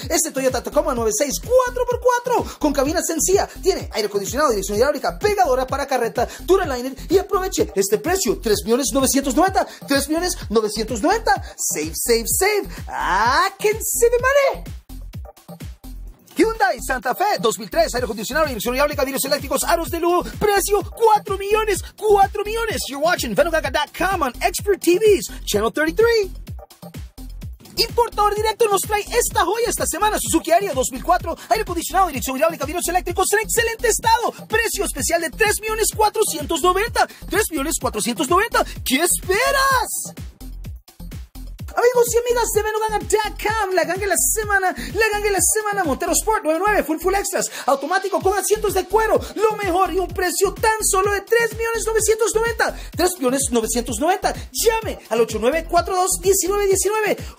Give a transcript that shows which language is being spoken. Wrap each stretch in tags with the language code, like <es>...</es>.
<es>Este Toyota Tacoma 96 4x4 con cabina sencilla, tiene aire acondicionado, dirección hidráulica, pegadora para carreta, Duraliner, y aproveche este precio, 3.990.000, 3.990.000.</es> <en>Save, save, save. I can see the money.</en> <es>Hyundai Santa Fe 2003, aire acondicionado, dirección hidráulica, vidrios eléctricos, aros de lujo, precio 4 millones, 4 millones.</es> <en>You're watching Venogaga.com on Expert TVs, Channel 33.</en> <es>Importador Directo nos trae esta joya esta semana, Suzuki Ariya 2004, aire acondicionado, dirección hidráulica, vidrios eléctricos, en excelente estado, precio especial de 3.490.000, 3.490.000, ¿qué esperas? Amigos y amigas de Venoganga.com, la ganga de la semana, la ganga de la semana, Montero Sport 99, full extras, automático con asientos de cuero, lo mejor y un precio tan solo de 3.990.000, 3.990.000, llame al 8942-1919,</es>